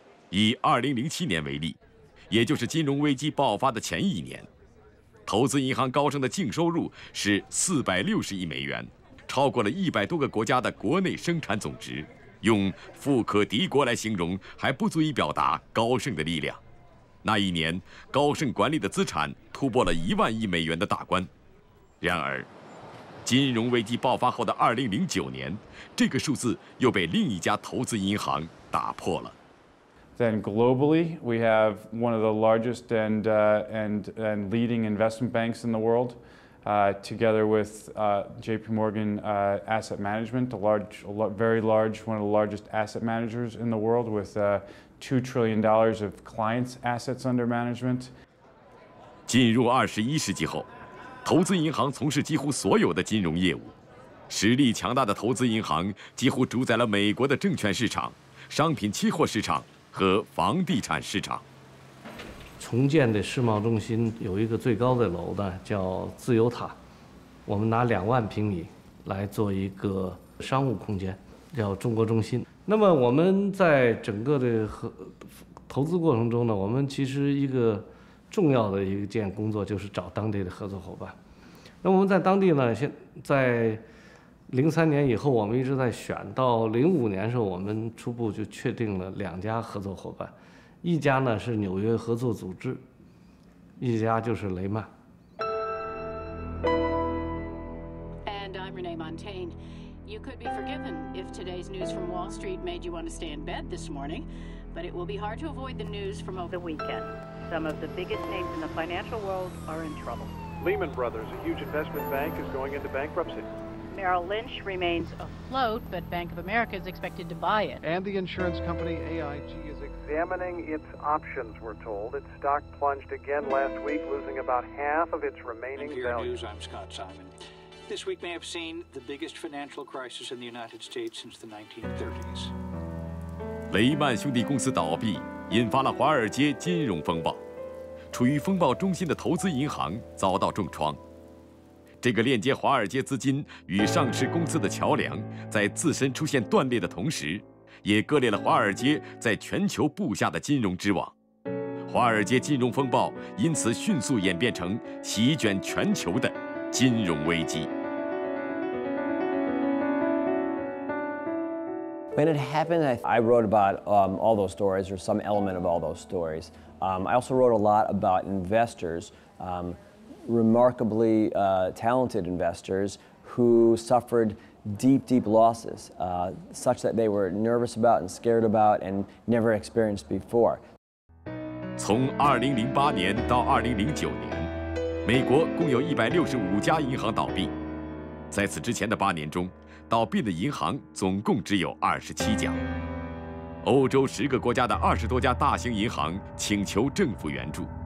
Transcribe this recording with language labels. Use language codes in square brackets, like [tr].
[zh] 以2007年为例，也就是金融危机爆发的前一年，投资银行高盛的净收入是460亿美元，超过了100多个国家的国内生产总值，用富可敌国来形容还不足以表达高盛的力量。那一年高盛管理的资产突破了10000亿美元的大关。然而金融危机爆发后的2009年，这个数字又被另一家投资银行打破了。 [en] Then globally, we have one of the largest and leading investment banks in the world, together with J.P. Morgan Asset Management, a very large, one of the largest asset managers in the world, with $2 trillion of clients' assets under management. [zh] 进入21世纪后，投资银行从事几乎所有的金融业务，实力强大的投资银行几乎主宰了美国的证券市场、商品期货市场。和房地产市场。重建的世贸中心有一个最高的楼呢，叫自由塔。我们拿20000平米来做一个商务空间，叫中国中心。那么我们在整个的投资过程中呢，我们其实一个重要的一件工作就是找当地的合作伙伴。那我们在当地呢，现在2003年以后，我们一直在选。到2005年的时候，我们初步就确定了2家合作伙伴，一家呢是纽约合作组织，一家就是雷曼。 [en] And I'm Renee Montaigne. You could be forgiven if today's news from Wall Street made you want to stay in bed this morning, but it will be hard to avoid the news from over the weekend. Some of the biggest names in the financial world are in trouble. Lehman Brothers, a huge investment bank, is going into bankruptcy. Merrill Lynch remains afloat, but Bank of America is expected to buy it. And the insurance company AIG is examining its options, we're told. Its stock plunged again last week, losing about half of its remaining value. NPR News, I'm Scott Simon. This week may have seen the biggest financial crisis in the United States since the 1930s. [zh] 雷曼兄弟公司倒闭，引发了华尔街金融风暴。处于风暴中心的投资银行遭到重创。这个链接华尔街资金与上市公司的桥梁，在自身出现断裂的同时，也割裂了华尔街在全球布下的金融之网。华尔街金融风暴因此迅速演变成席卷全球的金融危机。 [en] When it happened, I wrote about all those stories or some element of all those stories. I also wrote a lot about investors, remarkably talented investors who suffered deep, deep losses, such that they were nervous about and scared about and never experienced before. [zh] 从2008年到2009年，美国共有165家银行倒闭。在此之前的八年中，倒闭的银行总共只有27家。欧洲十个国家的20多家大型银行请求政府援助。